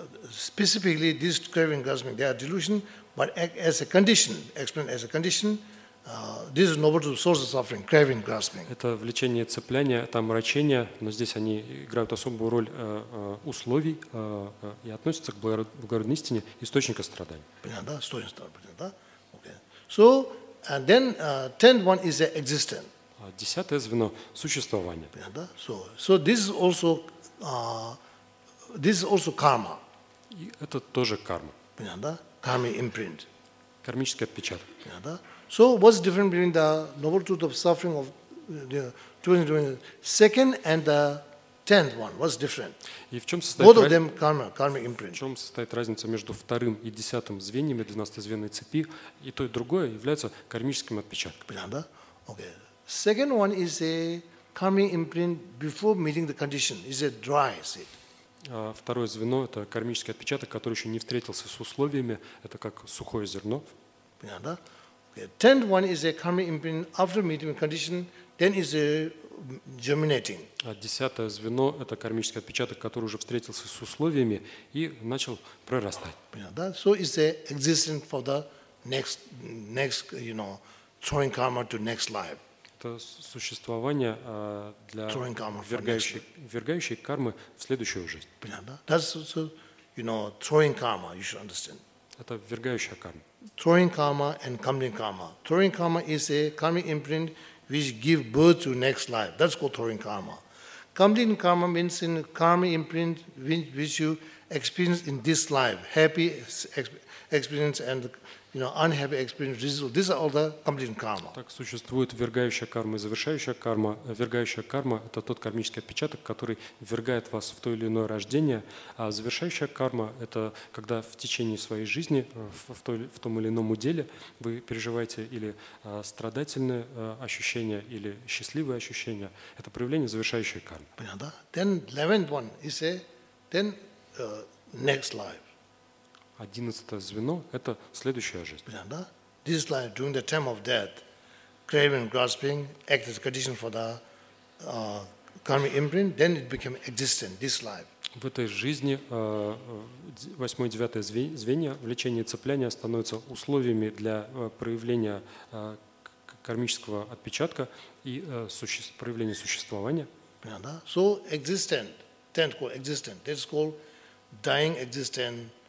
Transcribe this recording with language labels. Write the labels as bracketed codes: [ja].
[en] Specifically, this craving, grasping, they are delusion, but as a condition, explained as a condition. This is noble source of suffering, craving, grasping. [ru] Это влечение, цепляние, это омрачение, но здесь они играют особую роль условий и относятся к благородной истине источника страданий. Понятно, да? Источник страданий, да? [en] Okay. So, and then tenth one is the existence. [ru] Десятое звено – существование. Понятно, да? [en] So this is also karma. [ru] И это тоже карма. Понятно, да? [en] Karma imprint. [ru] Кармический отпечаток. Понятно, да? [en] So what's different between the noble truth of suffering of the 22nd and the 10th one? What's different? [ru] И в чем состоит [en] both of them karma imprint. [ru] В чем состоит разница между вторым и десятым звеньями 12-й звенной цепи? И то и другое является кармическим отпечатком. Понятно? [en] Okay. Second one is a karma imprint before meeting the condition. Is it dry, is it? [ru] Второе звено это кармический отпечаток, который еще не встретился с условиями. Это как сухое зерно. Понятно? [en] The tenth one is a karma imprint after meeting the condition, then is a germinating. [ru] Десятое звено – это кармический отпечаток, который уже встретился с условиями и начал прорастать. [en] So is the existence for the next, you know, throwing karma to next life. [ru] Это существование для ввергающей кармы в следующую жизнь. [en] That's also, you know, throwing karma, you should understand. [ru] Это ввергающая карма. [en] Throwing karma and coming karma. Throwing karma is a karmic imprint which give birth to next life. That's called throwing karma. Coming karma means in karmic imprint which you experience in this life, happy experience and you know unhappy experience. These are all the coming karma. [ru] Так существует ввергающая карма и завершающая карма. Ввергающая карма это тот кармический отпечаток, который ввергает вас в то или иное рождение, а завершающая карма это когда в течение своей жизни в том или ином уделе вы переживаете или страдательные ощущения или счастливые ощущения. Это проявление завершающей кармы. Понятно, да? [en] Then 11th one is a then next life. [ru] Одиннадцатое звено – это следующая жизнь. [en] This life during the time of death, craving, grasping, act as condition for the karmic imprint. Then it became existent. This life. [ru] В этой жизни восьмое и девятое звенья влечение и цепляние становятся условиями для проявления кармического отпечатка и проявления существования. [en] So existent, tenth called existent. That's called dying existent.